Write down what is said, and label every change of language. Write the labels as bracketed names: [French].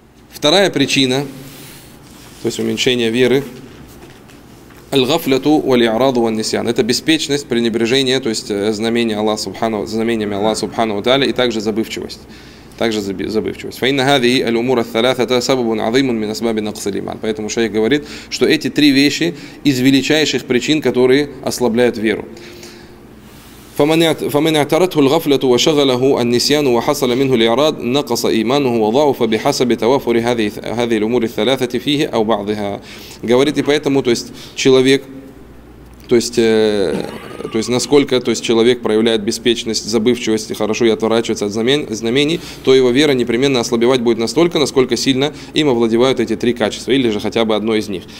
[Russian] Вторая причина, то есть уменьшение веры, [Arabic] аль-гафляту валь-и'раду ван-нисян. [Russian] Это беспечность, пренебрежение, то есть знамениями Аллаха Субхану и также забывчивость. [Arabic] فإن هذه الأمور الثلاثة سبب عظيم من أسباب نقص الإيمان. [Russian] Поэтому шейх говорит, что эти три вещи из величайших причин, которые ослабляют веру. [Arabic] فمن اعترته الغفلة وشغله النسيان وحصل منه الإعراض نقص إيمانه وضعف بحسب توافر هذه الأمور الثلاثة فيه أو بعضها. [Russian] Говорит, и поэтому, то есть человек, то есть насколько, то есть человек проявляет беспечность, забывчивость и хорошо и отворачивается от знамений, то его вера непременно ослабевать будет настолько, насколько сильно им овладевают эти три качества, или же хотя бы одно из них.